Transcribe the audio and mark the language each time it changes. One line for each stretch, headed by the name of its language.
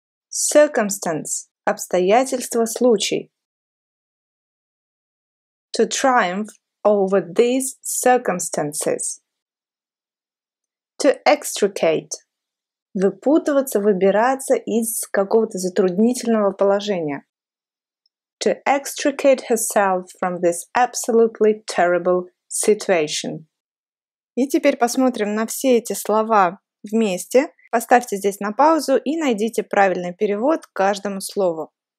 Russian: Circumstance – обстоятельство, случай.
English: To triumph over these circumstances. To extricate
Russian: – выпутываться, выбираться из какого-то затруднительного положения.
English: To extricate herself from this absolutely terrible situation.
Russian: И теперь посмотрим на все эти слова вместе. Поставьте здесь на паузу и найдите правильный перевод к каждому слову.